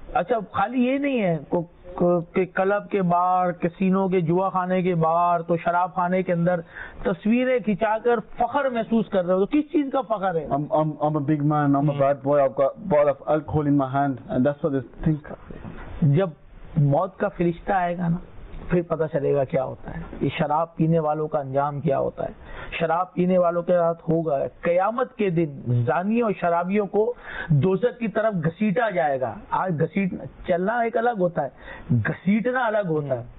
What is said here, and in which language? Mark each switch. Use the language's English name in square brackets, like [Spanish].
[Urdu] اچھا خالی یہ نہیں ہے کہ کلب کے باہر, کسینو کے جوا خانے کے باہر, تو شراب خانے کے اندر تصویریں کھچا کر فخر محسوس کر رہے ہو, تو کس چیز کا فخر ہے؟ [English] I'm a big man, I'm a bad boy, I've got a bottle of alcohol in my hand and that's what they think. [Urdu] جب موت کا فرشتہ آئے گا نا, پھر پتہ چلے گا کیا ہوتا ہے, یہ شراب پینے والوں کا انجام کیا ہوتا ہے. شراب پینے والوں کے ساتھ ہوگا قیامت کے دن, زانیوں اور شرابیوں کو دوزخ کی طرف گھسیٹا جائے گا. آج گھسیٹنا چلنا ایک الگ ہوتا ہے, گھسیٹنا الگ ہوتا ہے.